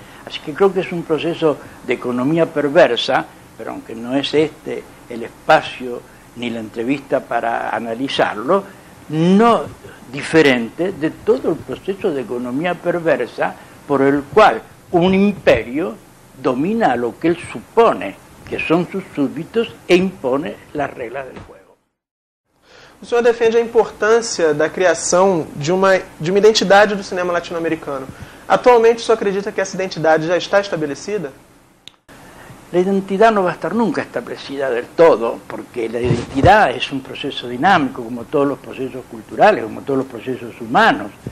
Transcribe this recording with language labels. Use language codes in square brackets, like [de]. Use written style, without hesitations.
[es] Así que creo que es un proceso de economía perversa, pero aunque no es este el espacio ni la entrevista para analizarlo, no diferente de todo el proceso de economía perversa por el cual un imperio domina lo que él supone que son sus súbditos e impone las reglas del juego. [pt] O senhor defende a importância da criação de uma identidade do cinema latino-americano. Atualmente, o senhor acredita que essa identidade já está estabelecida? [es] La identidad no va a estar nunca establecida del todo, porque la identidad es un proceso dinámico, como todos los procesos culturales, como todos los procesos humanos.